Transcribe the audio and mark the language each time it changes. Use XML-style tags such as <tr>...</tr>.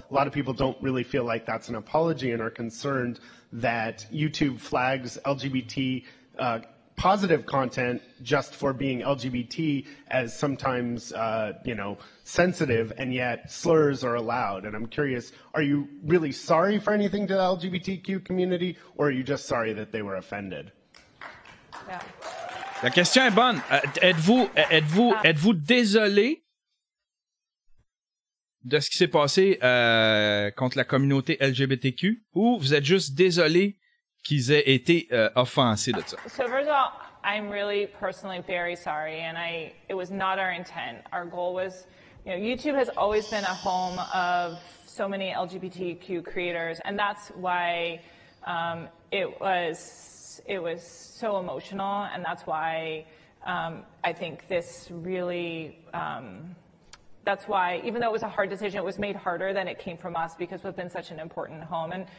<en>A lot of people don't really feel like that's an apology and are concerned that YouTube flags LGBT positive content just for being LGBT as sometimes, sensitive, and yet slurs are allowed. And I'm curious, are you really sorry for anything to the LGBTQ community, or are you just sorry that they were offended?</en> <fr>Yeah. La question est bonne. Êtes-vous désolé de ce qui s'est passé contre la communauté LGBTQ, ou vous êtes juste désolé qu'ils aient été offensés de ça?</fr> <en>So first of all, I'm really personally very sorry, and it was not our intent. Our goal was, YouTube has always been a home of so many LGBTQ creators, and that's why it was so emotional, and that's why I think this really, that's why, even though it was a hard decision, it was made harder than it came from us because we've been such an important home.</en>